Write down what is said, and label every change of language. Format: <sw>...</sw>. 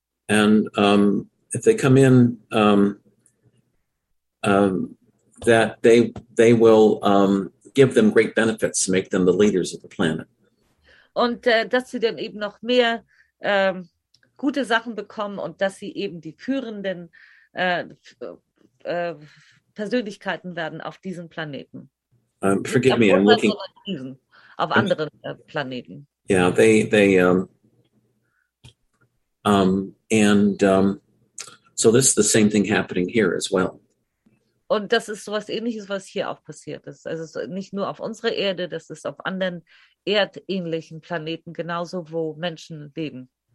<en>And if they come in, that they will give them great benefits, make them the leaders of the planet.</en> <de>Und dass sie dann eben noch mehr gute Sachen bekommen und dass sie eben die führenden Persönlichkeiten werden auf diesem Planeten.</de> <en>Forgive me, I'm looking</en> <de>auf anderen Planeten.</de> <en>Yeah, they So this is the same thing happening here as well.</en> <de>Und das ist sowas Ähnliches, was hier auch passiert ist. Also nicht nur auf unserer Erde, das ist auf anderen erdähnlichen Planeten genauso, wo Menschen leben.</de>